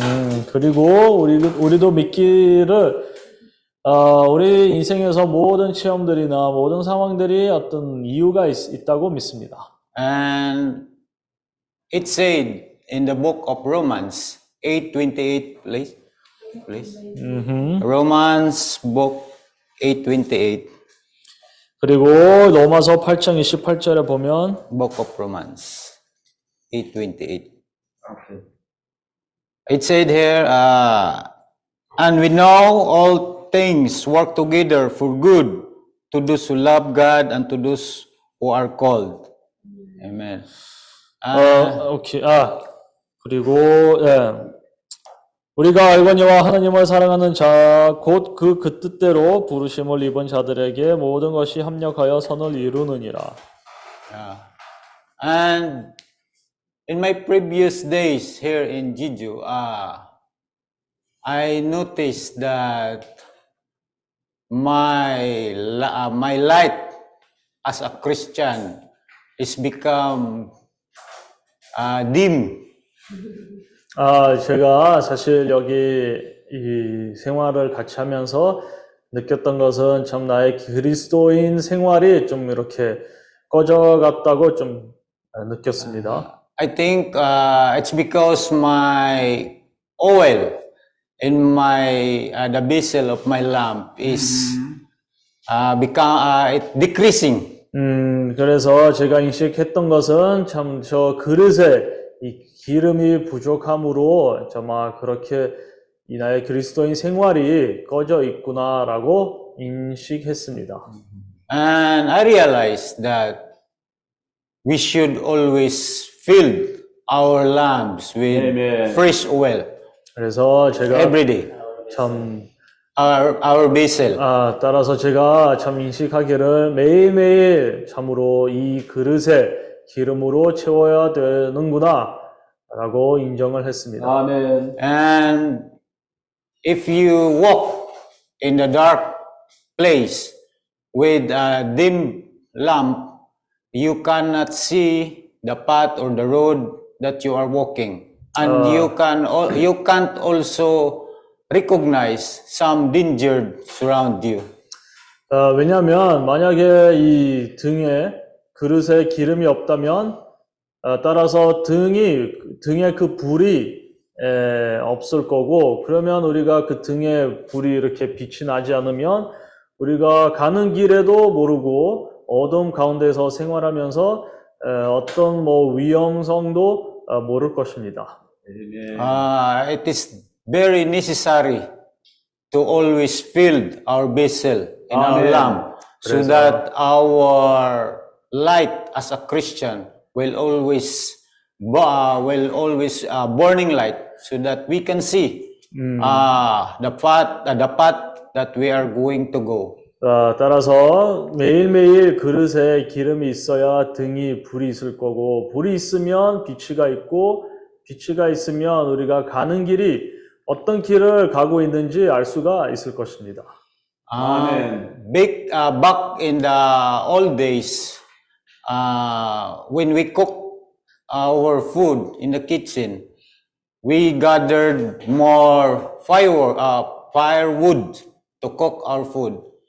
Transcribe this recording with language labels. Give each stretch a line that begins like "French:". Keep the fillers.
Korean: 음, 그리고 우리 우리도 믿기를 어, 우리 인생에서 모든 체험들이나 모든 상황들이 어떤 이유가 있, 있다고 믿습니다.
English: And it said in the book of Romans 8:28, please, please. Mm-hmm. Romans book 8:28.
Korean: 그리고 로마서 8장 28절에 보면
English: book of Romans.
Korean: 8:28.
English: It said here, and we know all things work together for good to those who love God and to those who are called. Amen. okay.
Korean: 그리고 우리가 알거니 하나님을 사랑하는 자곧그 그 뜻대로 부르심을 입은 자들에게 모든 것이 합력하여 선을 이루느니라.
English: y In my previous days here in Jeju, I noticed that my my light as a Christian is become u dim.
Korean: 아 제가 사실 여기 이 생활을 같이 하면서 느꼈던 것은 참 나의 그리스도인 생활이 좀 이렇게 꺼져갔다고 좀 느꼈습니다.
English: I think uh, it's because my oil in my uh, the bezel of my lamp is mm. uh, become uh, it decreasing.
Korean: 음 그래서 제가 인식했던 것은 참 저 그릇에 이 기름이 부족함으로 정말 그렇게 이 나의 그리스도인 생활이 꺼져 있구나라고 인식했습니다.
English: And I realized that we should always fill our lamps with fresh oil.
Korean: 그래서 제가
English: every day
Korean: 참
English: our our vessel.
Korean: 아 따라서 제가 참 인식하기를 매일매일 참으로 이 그릇에 기름으로 채워야 되는구나라고 인정을 했습니다. 아멘.
English: And if you walk in the dark place with a dim lamp, you cannot see the path or the road that you are walking and uh, you can you can't also recognize some danger surround you.
Korean: 어, 왜냐면 만약에 이 등에 그릇에 기름이 없다면 어, 따라서 등이 등에 그 불이 에, 없을 거고 그러면 우리가 그 등에 불이 이렇게 빛이 나지 않으면 우리가 가는 길에도 모르고 어둠 가운데서 생활하면서 Uh,
English: it is very necessary to always fill our vessel in 아, our 네. lamp so
Korean: 그래서...
English: that our light as a Christian will always uh, will always uh, burning light so that we can see uh, the path uh, the path that we are going to go.
Korean: 따라서 매일매일 그릇에 기름이 있어야 등이 불이 있을 거고 불이 있으면 빛이가 있고 빛이가 있으면 우리가 가는 길이 어떤 길을 가고 있는지 알 수가 있을 것입니다. 아멘.
English: Uh, back, uh, back in the old days, uh, when we cook our food in the kitchen, we gathered more firework, uh, firewood to cook our food.